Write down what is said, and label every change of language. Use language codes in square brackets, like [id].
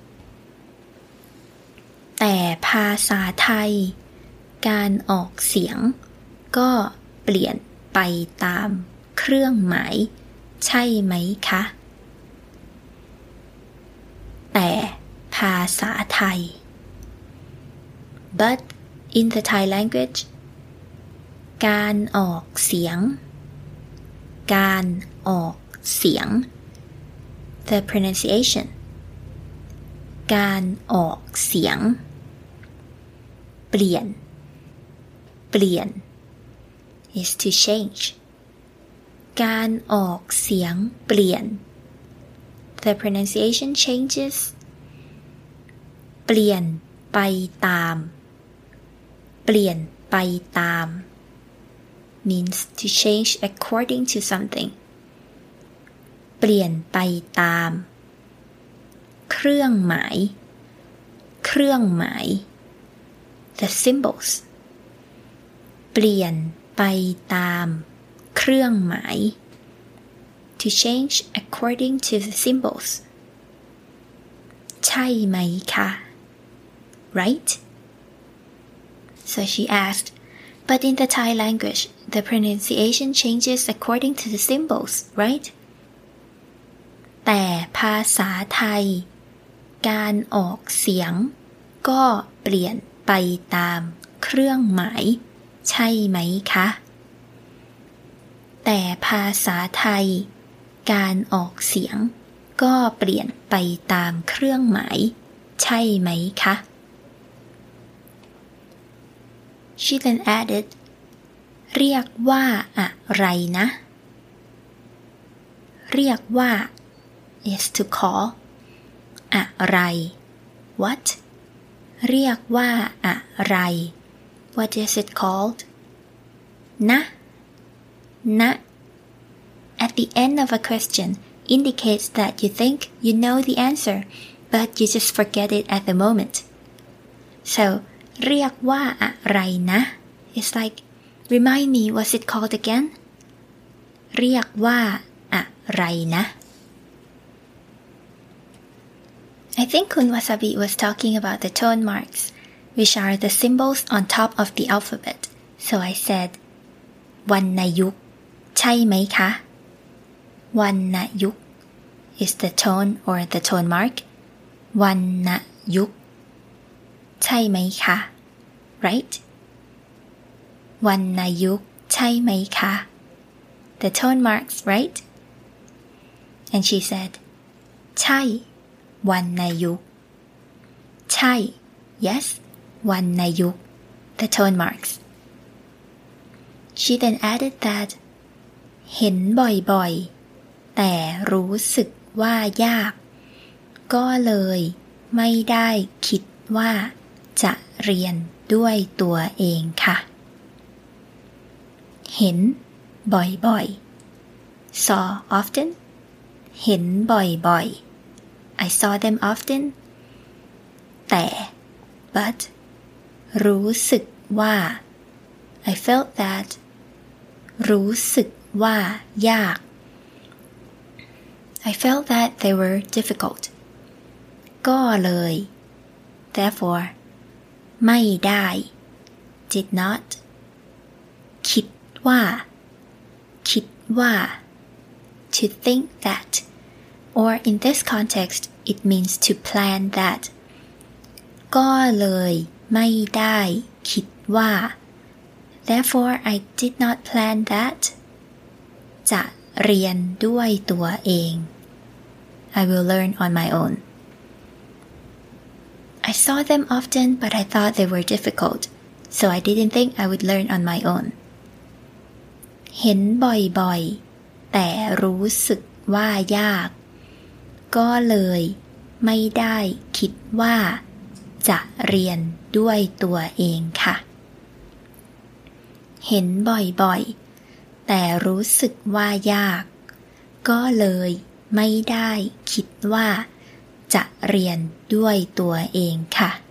[th] ๆแต่ภาษาไทยการออกเสียงก็เปลี่ยนไปตามเครื่องหมายใช่ไหมคะแต่ภาษาไทย [en] But in the Thai language [th] การออกเสียงการออกเสียง [en] The pronunciation [th] การออกเสียงเปลี่ยนเปลี่ยน [en] is to change [th] การออกเสียงเปลี่ยน [en] The pronunciation changes [th] เปลี่ยนไปตามเปลี่ยนไปตาม [en] means to change according to something [th] เปลี่ยนไปตามเครื่องหมายเครื่องหมาย [en] The symbols [th] เปลี่ยนไปตามเครื่องหมาย [en] To change according to the symbols. [th] ใช่ไหมคะ? [en] Right? So she asked, But in the Thai language, the pronunciation changes according to the symbols, right? [th] แต่ภาษาไทยการออกเสียงก็เปลี่ยนไปตามเครื่องหมายใช่ไหมคะ? แต่ภาษาไทยการออกเสียงก็เปลี่ยนไปตามเครื่องหมายใช่ไหมคะ [en] She then added [th] เรียกว่าอะไรนะเรียกว่า [en] is to call [th] อะไร [en] what [th] เรียกว่าอะไร [en] what is it called [th] นะนะ [en] At the end of a question indicates that you think you know the answer, but you just forget it at the moment. [th] So, เรียกว่าอะไรนะ? [en] It's like, remind me, was it called again? [th] เรียกว่าอะไรนะ? [en] I think Kun Wasabi was talking about the tone marks, which are the symbols on top of the alphabet. So I said, [th] วรรณยุกต์ ใช่ไหมคะ? วรรณยุกต์ [en] is the tone or the tone mark [th] วรรณยุกต์ใช่ไหมคะ [en] right [th] วรรณยุกต์ใช่ไหมคะ [en] the tone marks right and she said [th] ใช่วรรณยุกต์ใช่ [en] yes [th] วรรณยุกต์ [en] the tone marks she then added that [th] เห็นบ่อยๆแต่รู้สึกว่ายากก็เลยไม่ได้คิดว่าจะเรียนด้วยตัวเองค่ะเห็นบ่อย [en] ๆ saw often [th] เห็นบ่อย [en] ๆ I saw them often [th] แต่ [en] but [th] รู้สึกว่า [en] I felt that [th] รู้สึกว่ายาก [en] I felt that they were difficult. [th] ก็เลย [en] Therefore, [th] ไม่ได้ [en] Did not. [th] คิดว่า คิดว่า [en] to think that, or in this context, it means to plan that. [th] ก็เลยไม่ได้คิดว่า [en] Therefore, I did not plan that. [th] จะเรียนด้วยตัวเอง [en] I will learn on my own. I saw them often, but I thought they were difficult, so I didn't think I would learn on my own. [th] เห็นบ่อยบ่อยแต่รู้สึกว่ายากก็เลยไม่ได้คิดว่าจะเรียนด้วยตัวเองค่ะเห็นบ่อยบ่อยแต่รู้สึกว่ายากก็เลยไม่ได้คิดว่าจะเรียนด้วยตัวเองค่ะ